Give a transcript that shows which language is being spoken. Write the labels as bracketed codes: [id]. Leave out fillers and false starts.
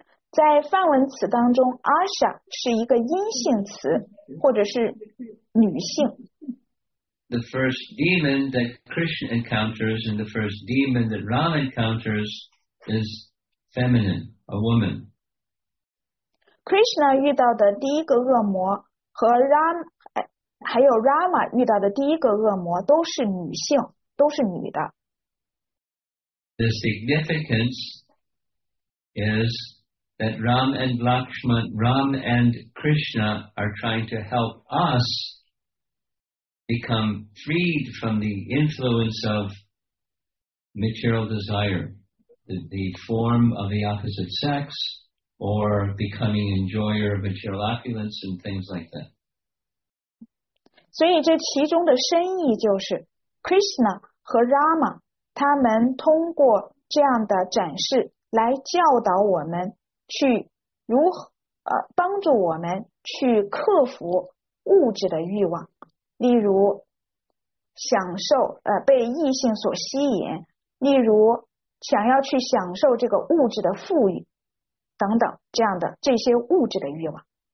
[zh] 在梵文词当中, asha 是一个阴性词, 或者是女性. [en] The first demon that Krishna encounters and the first demon that Rama encounters is feminine, a woman. [zh] Krishna 遇到的第一个恶魔和 Rama 还有 Rama 遇到的第一个恶魔都是女性，都是女的。 [en] The significance is that Ram and Krishna are trying to help us become freed from the influence of material desire, the form of the opposite sex, or becoming enjoyer of material opulence and things like that. [zh] 所以这其中的深意就是 Krishna 和 Rama 他们通过这样的展示来教导我们去如何帮助我们去克服物质的欲望，例如享受被异性所吸引，例如想要去享受这个物质的富裕等等这样的这些物质的欲望。